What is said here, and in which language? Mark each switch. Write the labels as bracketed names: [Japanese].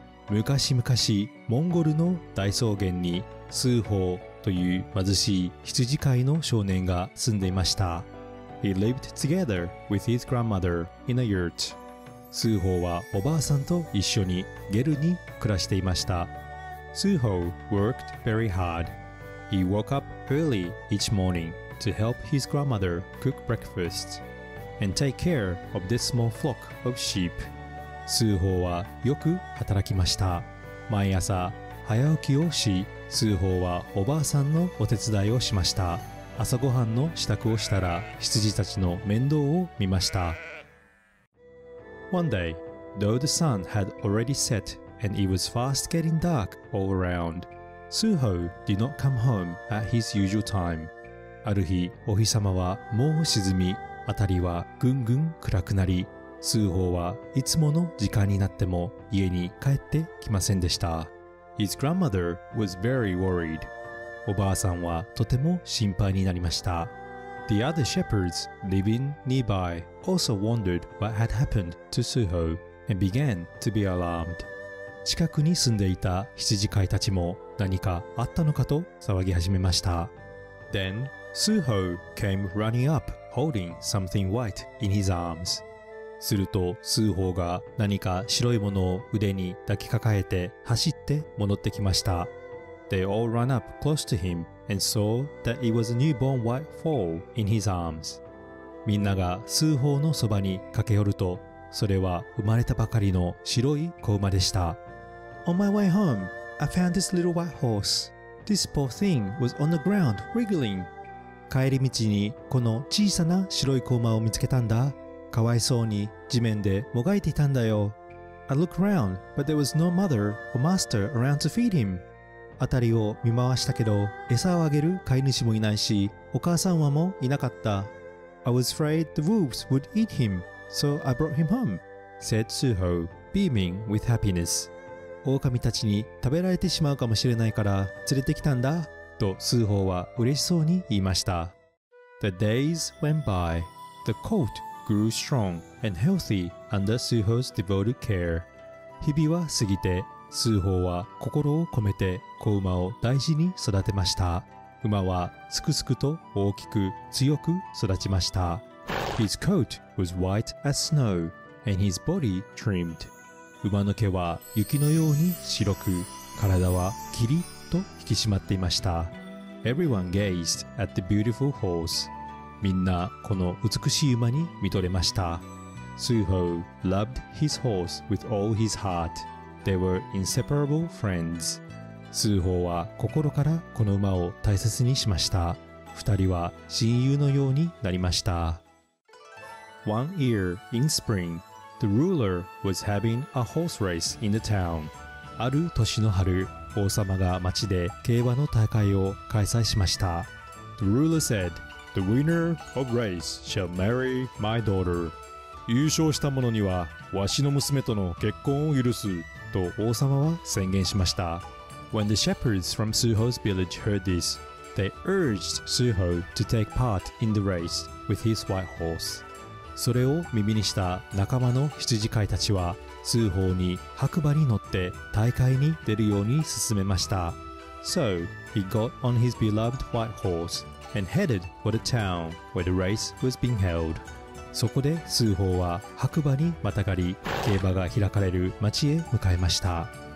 [Japanese] 昔々モンゴルの大草原に水泡という貧しい羊飼いの少年が住んでいました。 [English] He lived together with his grandmother in a yurt. [Japanese] スーホーはおばあさんと一緒にゲルに暮らしていました。 [English] スーホー worked very hard. He woke up early each morning to help his grandmother cook breakfast and take care of this small flock of sheep. [Japanese] スーホーはよく働きました。毎朝早起きをし、スーホーはおばあさんのお手伝いをしました。朝ごはんの支度をしたら羊たちの面倒を見ました。 [English] One day, though the sun had already set and it was fast getting dark all around, Suho did not come home at his usual time. [Japanese] ある日、お日様はもう沈み、あたりはぐんぐん暗くなり、Suho はいつもの時間になっても家に帰ってきませんでした。 [English] His grandmother was very worried. [Japanese] おばあさんはとても心配になりました。 [English] The other shepherds living nearby also wondered what had happened to Suho and began to be alarmed. [Japanese] 近くに住んでいた羊飼いたちも何かあったのかと騒ぎ始めました。 [English] Then Suho came running up holding something white in his arms. [Japanese] すると、スーホーが何か白いものを腕に抱きかかえて走って戻ってきました。 [English] They all ran up close to him and saw that it was a newborn white foal in his arms. [Japanese] みんながスーホーのそばに駆け寄ると、それは生まれたばかりの白い子馬でした。 [English] On my way home, I found this little white horse. This poor thing was on the ground wriggling. [Japanese] 帰り道にこの小さな白い子馬を見つけたんだ。かわいそうに地面でもがいていたんだよ。 [English] I looked around, but there was no mother or master around to feed him. [Japanese] あたりを見回したけど、餌をあげる飼い主もいないし、お母さんはもいなかった。 [English] I was afraid the wolves would eat him, so I brought him home, said Suho, beaming with happiness. [Japanese] 狼たちに食べられてしまうかもしれないから連れてきたんだ、とスーホーは嬉しそうに言いました。 [English] The days went by. The colt grew strong and healthy under Suho's devoted care. [Japanese] 日々は過ぎて、スーホーは心を込めて子馬を大事に育てました。馬はすくすくと大きく強く育ちました。 [English] His coat was white as snow and his body trimmed. [Japanese] 馬の毛は雪のように白く、体はキリッと引き締まっていました。 [English] Everyone gazed at the beautiful horse. [Japanese] みんなこの美しい馬に見とれました。 [English] Suho loved his horse with all his heartThey were inseparable friends. [Japanese] スーホーは心からこの馬を大切にしました。二人は親友のようになりました。 [English] One year in spring, the ruler was having a horse race in the town. [Japanese] ある年の春、王様が町で競馬の大会を開催しました。 [English] The ruler said, "The winner of race shall marry my daughter." [Japanese] 優勝した者には、わしの娘との結婚を許す。と王様は宣言しました。 [English] When the shepherds from Suho's village heard this, they urged Suho to take part in the race with his white horse. [Japanese] それを耳にした仲間の羊飼いたちは、スーホーに白馬に乗って大会に出るように勧めました。 [English] So he got on his beloved white horse and headed for the town where the race was being held. [Japanese] そこでスーホーは白馬にまたがり、競馬が開かれる町へ向かいました。